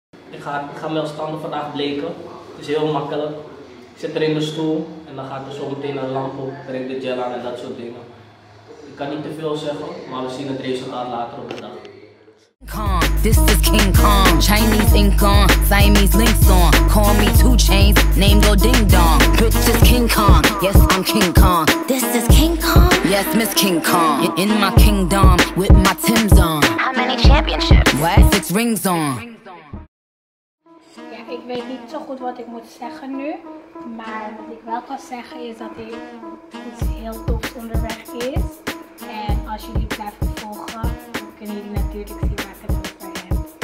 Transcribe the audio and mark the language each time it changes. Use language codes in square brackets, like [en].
[nl] Ik ga mijn tanden vandaag bleken. Het is heel makkelijk. Ik zit er in de stoel en dan gaat er zo meteen een lamp op, breng de gel aan en dat soort dingen. Ik kan niet te veel zeggen, maar we zien het resultaat later op de dag. [en] This is King Kong, Chinese ink on, Siamese links on. Call me 2 Chainz, name go ding dong. Bitch is King Kong, yes I'm King Kong. This is King Kong, yes Miss King Kong. In my kingdom, with my Timbs on. How many championships? What? 6 rings on. [nl] Ja, ik weet niet zo goed wat ik moet zeggen nu. Maar wat ik wel kan zeggen is dat hij iets heel tofs onderweg is. En als jullie blijven volgen, dan kunnen jullie natuurlijk zien waar ik het over heb.